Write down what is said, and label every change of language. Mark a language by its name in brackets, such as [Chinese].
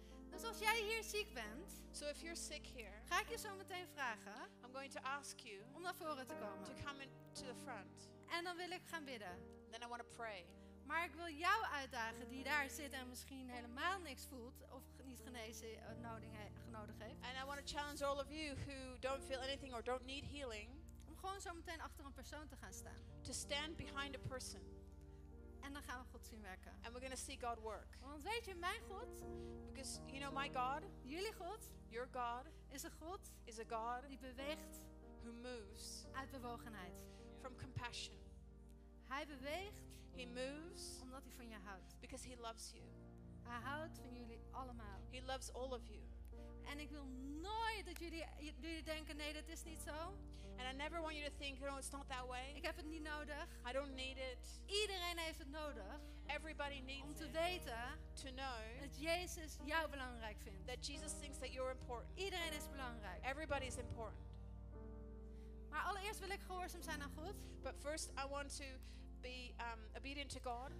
[Dutch] Dus als jij hier ziek bent, [English] so if you're sick here, [Dutch] ga ik je zo meteen vragen [English] I'm going to ask you [Dutch] om naar voren te komen. [English] To come in to the front. [Dutch] En dan wil ik gaan bidden. [English] Then I want to pray. [Dutch] Maar ik wil jou uitdagen die daar zit en misschien helemaal niks voelt of niet genezen nodig heeft. [English] And I want to challenge all of you who don't feel anything or don't need healing. [Dutch] Om gewoon zo meteen achter een persoon te gaan staan. [English] To stand behind a person. [Dutch] En dan gaan we God zien werken. [English] And we're going to see God work. [Dutch] Want weet je, mijn God. [English] Because you know my God. [Dutch] Jullie God. [English] Your God. [Dutch] Is een God. [English] Is a God. [Dutch] Die beweegt. [English] Who moves. [Dutch] Uit bewogenheid. [English] From compassion. [Dutch] Hij beweegt. [English] He moves. [Dutch] Omdat hij van je houdt. [English] Because he loves you. [Dutch] Hij houdt van jullie allemaal. [English] He loves all of you. [Dutch] En ik wil nooit dat jullie denken, nee, dat is niet zo. [English] And I never want you to think, no, it's not that way. [Dutch] Ik heb het niet nodig. [English] I don't need it. [Dutch] Iedereen heeft het nodig. [English] Everybody needs [Dutch] om te [English] it. [Dutch] Weten [English] to know [Dutch] dat Jezus jou belangrijk vindt. [English] That Jesus thinks that you're important. [Dutch] Iedereen is belangrijk. [English] Everybody is important. [Dutch] Maar allereerst wil ik gehoorzaam zijn aan God. [English] But first I want to be obedient to God.